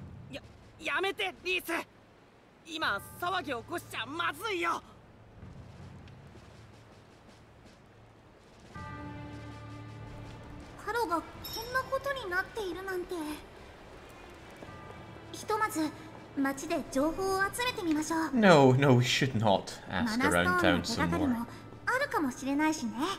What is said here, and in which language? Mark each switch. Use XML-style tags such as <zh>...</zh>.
<ja>やめて、リース。今、騒ぎ起こしちゃまずいよ。ハロがこんなことになっているなんて。ひとまず、町で情報を集めてみましょう。</ja> <en>No, no, we should not ask around town some more.</en> <ja>マナストーンの手がかりもあるかもしれないしね。</ja>